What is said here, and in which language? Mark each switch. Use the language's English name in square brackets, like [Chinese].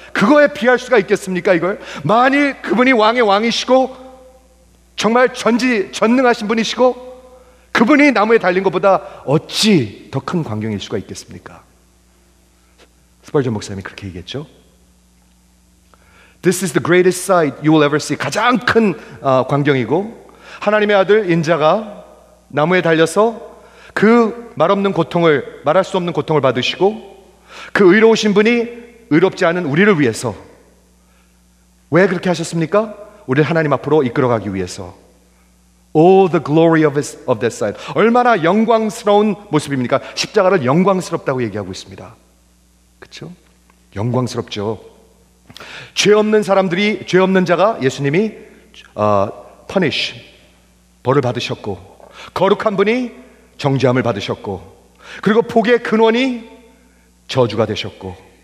[Korean] 그거에 비할 수가 있겠습니까? 이걸 만일 그분이 왕의 왕이시고 정말 전지전능하신 분이시고 그분이 나무에 달린 것보다 어찌 더 큰 광경일 수가 있겠습니까? 스펄전 목사님이 그렇게 얘기했죠. [English] This is the greatest sight you will ever see. [Korean] 가장 큰 광경이고 하나님의 아들 인자가 나무에 달려서 그 말없는 고통을, 말할 수 없는 고통을 받으시고 그 의로우신 분이 의롭지 않은 우리를 위해서 왜 그렇게 하셨습니까? 우리를 하나님 앞으로 이끌어가기 위해서. [English] All the glory of that side. [Korean] 얼마나 영광스러운 모습입니까? 십자가를 영광스럽다고 얘기하고 있습니다. 그렇죠? 영광스럽죠. 죄 없는 자가 예수님이 punish, 벌을 받으셨고 거룩한 분이 정죄함을 받으셨고 그리고 복의 근원이 저주가 되셨고